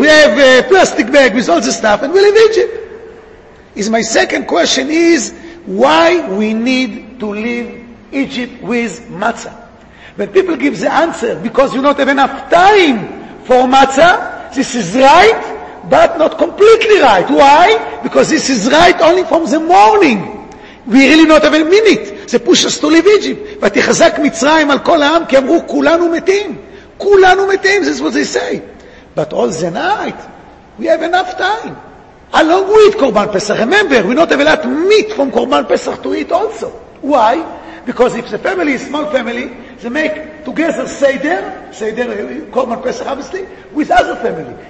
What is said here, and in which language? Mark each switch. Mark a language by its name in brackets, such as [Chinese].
[English] We have a plastic bag with all the stuff and we leave Egypt. Is my second question is, why we need to leave Egypt with matzah? When people give the answer, because you don't have enough time for matzah, this is right, but not completely right. Why? Because this is right only from the morning. We really not have a minute. They push us to leave Egypt. [Hebrew] ותחזק מצרים על כל העם, כי אמרו, כולנו מתים. כולנו מתים, [English] this is what they say. But all the night, we have enough time. Along with Korban Pesach, remember, we not have a lot of meat from Korban Pesach to eat also. Why? Because if the family is a small family, they make together Seder, Seder, Korban Pesach, obviously, with other family.